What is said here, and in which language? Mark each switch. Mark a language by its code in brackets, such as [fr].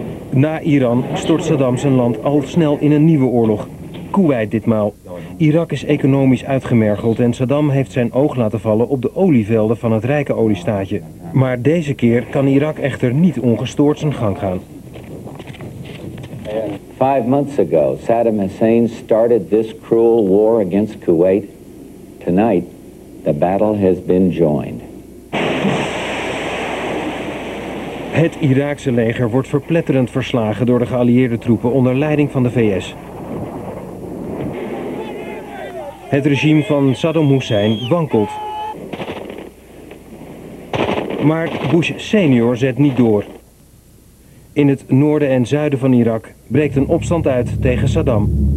[nl] Na Iran stort Saddam zijn land al snel in een nieuwe oorlog. Kuwait ditmaal. Irak is economisch uitgemergeld en Saddam heeft zijn oog laten vallen op de olievelden van het rijke oliestaatje. Maar deze keer kan Irak echter niet ongestoord zijn gang gaan. [en] 5 months ago, Saddam Hussein started this cruel war against Kuwait. Tonight, the battle has been joined. [nl] Het Iraakse leger wordt verpletterend verslagen door de geallieerde troepen onder leiding van de VS. Het regime van Saddam Hussein wankelt. Maar Bush senior zet niet door. In het noorden en zuiden van Irak breekt een opstand uit tegen Saddam.